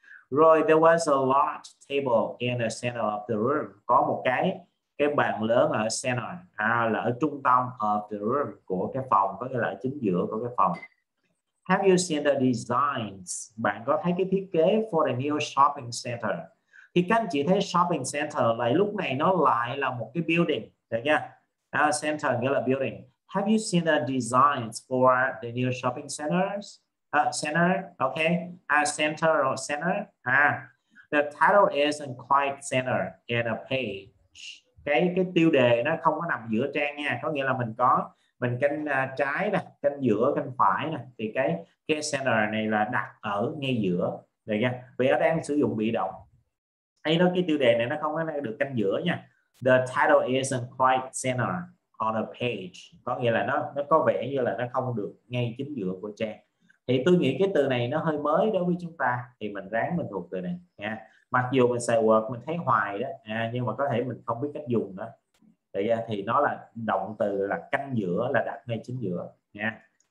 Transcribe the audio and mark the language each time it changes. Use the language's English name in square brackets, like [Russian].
[Vietnamese] Rồi [English] there was a large table in the center of the room, [Vietnamese] có một cái bàn lớn ở center, là ở trung tâm of the room của cái phòng, có nghĩa là ở chính giữa của cái phòng. [English] Have you seen the designs? [Vietnamese] Bạn có thấy cái thiết kế [English] for the new shopping center? [Vietnamese] Thì các anh chị thấy shopping center lại lúc này nó lại là một cái building, được nha. Center nghĩa là building. [English] Have you seen the designs for the new shopping centers? Center, okay. Center or center. The title isn't quite center in a page. [Vietnamese] Cái tiêu đề nó không có nằm giữa trang nha, có nghĩa là mình có mình canh trái nè, canh giữa, canh phải nè, thì cái center này là đặt ở ngay giữa, được nha. Vì nó đang sử dụng bị động. Hay nói cái tiêu đề này nó không có được canh giữa nha. [English] The title isn't quite center on a page. [Vietnamese] Có nghĩa là nó có vẻ như là nó không được ngay chính giữa của trang. Thì tôi nghĩ cái từ này nó hơi mới đối với chúng ta, thì mình ráng mình thuộc từ này nha. Mặc dù mình xài Word mình thấy hoài đó, nhưng mà có thể mình không biết cách dùng đó. Tại ra thì nó là động từ là canh giữa, là đặt ngay chính giữa nha.